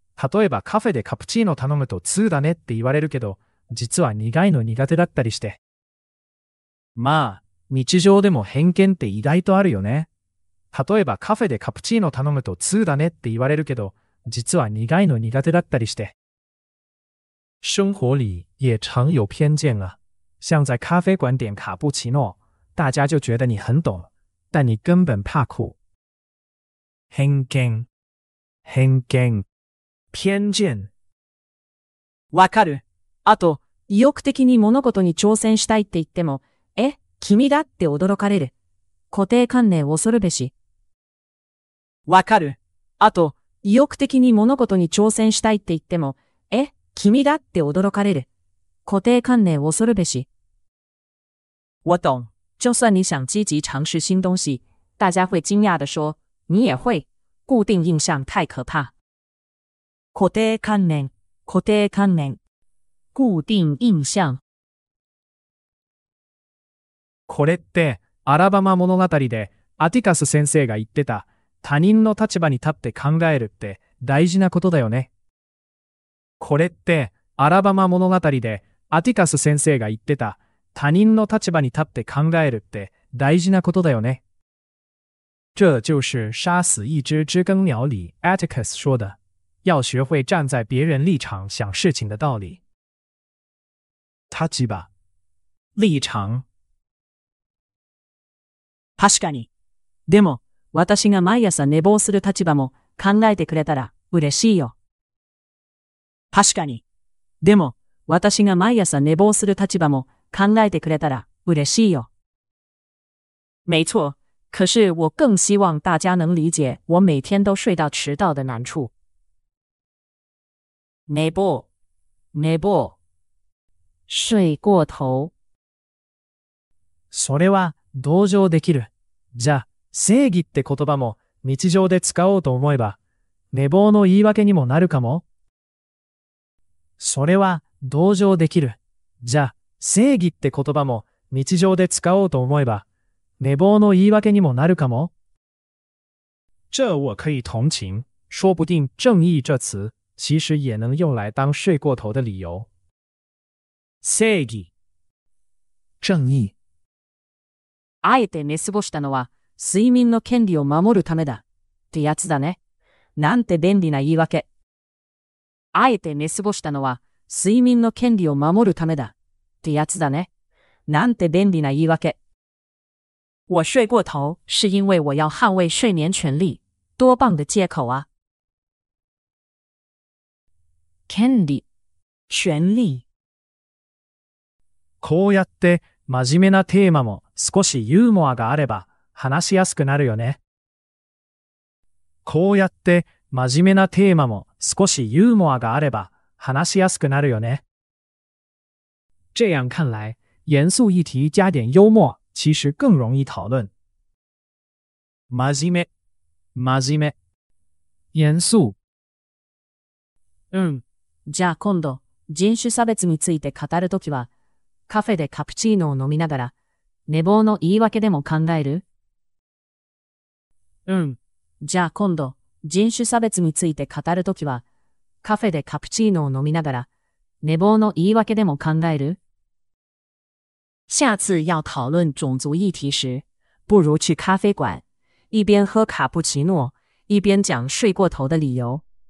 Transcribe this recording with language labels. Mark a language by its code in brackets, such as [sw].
[ja] 例えばカフェでカプチーノ頼むと2だねって言われるけど、実は苦いの苦手だったりして。まあ、日常でも偏見って意外とあるよね。例えばカフェでカプチーノ頼むと2だねって言われるけど、実は苦いの苦手だったりして。 [zh] 生活里也常有偏见啊。像在咖啡馆点卡布奇诺，大家就觉得你很懂，但你根本怕苦。 [ja] 偏見，偏見，偏見。わかる。あと、意欲的に物事に挑戦したいって言っても、え、君だって驚かれる。固定観念恐るべし。わかる。あと、意欲的に物事に挑戦したいって言っても、え、君だって驚かれる。固定観念恐るべし。 [zh] 我懂。就算你想积极尝试新东西、大家会惊讶地说、你也会。固定印象太可怕。 [ja] 固定観念、固定観念。 [zh] 固定印象。 [ja] これって、アラバマ物語で、アティカス先生が言ってた、他人の立場に立って考えるって大事なことだよね。これって、アラバマ物語で、アティカス先生が言ってた、他人の立場に立って考えるって大事なことだよね。 [zh] 这就是杀死一只知更鸟里アティカス说的。要学会站在别人立场想事情的道理。 [ja] 立場。立場。確かに。でも、私が毎朝寝坊する立場も考えてくれたら嬉しいよ。確かに。でも、私が毎朝寝坊する立場も考えてくれたら嬉しいよ。 [zh] 没错。可是我更希望大家能理解我每天都睡到迟到的难处。 [ja] 寝坊。寝坊。 [zh] 睡过头。 [ja] それは、同情できる。じゃあ、正義って言葉も日常で使おうと思えば、寝坊の言い訳にもなるかも。それは、同情できる。じゃあ、正義って言葉も日常で使おうと思えば、寝坊の言い訳にもなるかも。 [zh] 这我可以同情。说不定、正義这词、其实也能用来当睡过头的理由。 [ja] 正義。正義。あえて寝過ごしたのは、睡眠の権利を守るためだ、ってやつだね。なんて便利な言い訳。あえて寝過ごしたのは、睡眠の権利を守るためだ、ってやつだね。なんて便利な言い訳。 [zh] 我睡过头、是因为我要捍卫睡眠权利。多棒的借口啊。 [ja] 権利、 [zh] 权利。 [ja] こうやって、真面目なテーマも、少しユーモアがあれば話しやすくなるよね。こうやって真面目なテーマも少しユーモアがあれば話しやすくなるよね。 [zh] 这样看来，严肃议题加点幽默，其实更容易讨论。 [ja] 真面目，真面目， [zh] 严肃。 [ja] うん。じゃあ今度人種差別について語るときは、カフェでカプチーノを飲みながら。寝坊の言い訳でも考える？うん。じゃあ今度、人種差別について語るときは、カフェでカプチーノを飲みながら、寝坊の言い訳でも考える？ [zh] 下次要讨论种族议题时，不如去咖啡馆，一边喝卡布奇诺，一边讲睡过头的理由。